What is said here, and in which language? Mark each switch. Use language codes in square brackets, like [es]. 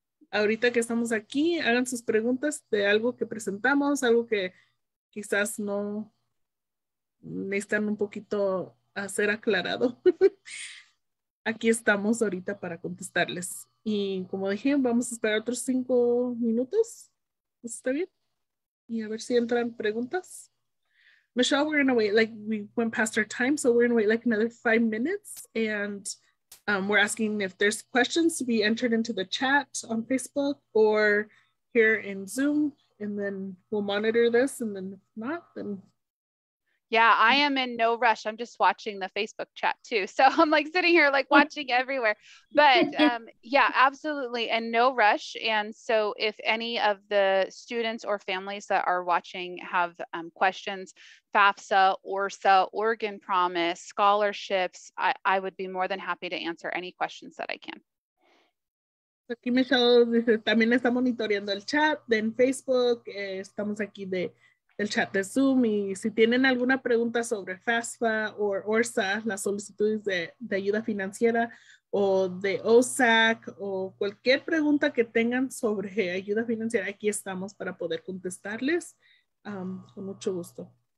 [es] Ahorita que estamos aquí, hagan sus preguntas de algo que presentamos, algo que quizás no necesitan un poquito hacer aclarado. Aquí estamos ahorita para contestarles. Y como dije, vamos a esperar otros 5 minutos. ¿Está bien? Y a ver si entran preguntas. [en] Michelle, we're going to wait, like we went past our time, so we're going to wait like another 5 minutes. And we're asking if there's questions to be entered into the chat on Facebook or here in Zoom. And then we'll monitor this. And then if not, then... Yeah, I am in no rush. I'm just watching the Facebook chat too. So I'm like sitting here like watching everywhere. But yeah, absolutely. And no rush. And so if any of the students or families that are watching have questions, FAFSA, ORSA, Oregon Promise, scholarships, I would be more than happy to answer any questions that I can. [es] Aquí Michelle también está monitoreando el chat en Facebook. Estamos aquí de... el chat de Zoom, y si tienen alguna pregunta sobre FAFSA o ORSA, las solicitudes de ayuda financiera o de OSAC o cualquier pregunta que tengan sobre ayuda financiera, aquí estamos para poder contestarles con mucho gusto.